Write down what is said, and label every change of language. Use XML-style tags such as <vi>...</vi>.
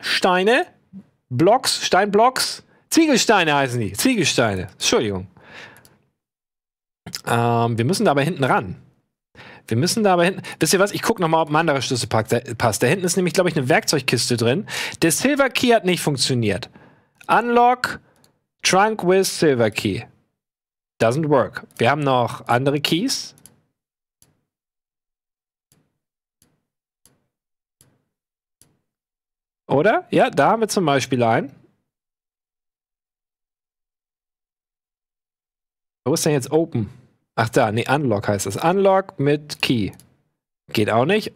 <de>Steine? Blocks? Steinblocks? Ziegelsteine heißen die. Ziegelsteine. Entschuldigung. Wir müssen da aber hinten ran. Wir müssen da aber hinten. Wisst ihr was? Ich gucke nochmal, ob ein anderer Schlüssel passt. Da hinten ist nämlich, glaube ich, eine Werkzeugkiste drin. Der Silver Key hat nicht funktioniert.</de> <en>Unlock Trunk with Silver Key. Doesn't work.</en> <de>Wir haben noch andere Keys. Oder? Ja, da haben wir zum Beispiel einen. Wo ist denn jetzt Open? Ach da, nee, Unlock heißt das. Unlock mit Key. Geht auch nicht.</de>